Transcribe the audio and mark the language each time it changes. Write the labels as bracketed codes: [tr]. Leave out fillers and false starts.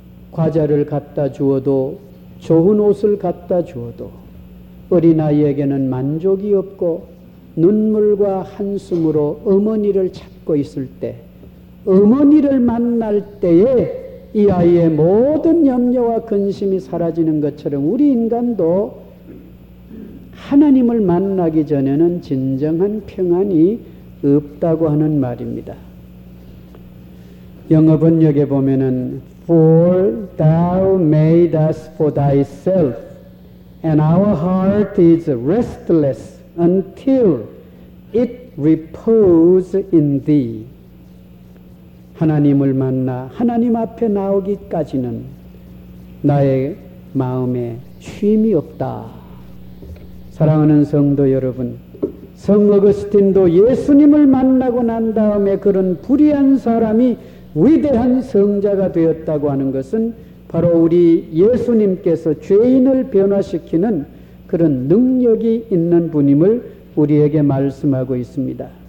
[ko] 과자를 갖다 주어도, 좋은 옷을 갖다 주어도 어린아이에게는 만족이 없고 눈물과 한숨으로 어머니를 찾고 있을 때, 어머니를 만날 때에 이 아이의 모든 염려와 근심이 사라지는 것처럼 우리 인간도 하나님을 만나기 전에는 진정한 평안이 없다고 하는 말입니다. 영어 번역에 보면은 [en] For thou made us for thyself, and our heart is restless until it repose in thee. [ko] 하나님을 만나 하나님 앞에 나오기까지는 나의 마음에 쉼이 없다. 사랑하는 성도 여러분, 성 어거스틴도 예수님을 만나고 난 다음에 그런 불의한 사람이 위대한 성자가 되었다고 하는 것은 바로 우리 예수님께서 죄인을 변화시키는 그런 능력이 있는 분임을 우리에게 말씀하고 있습니다.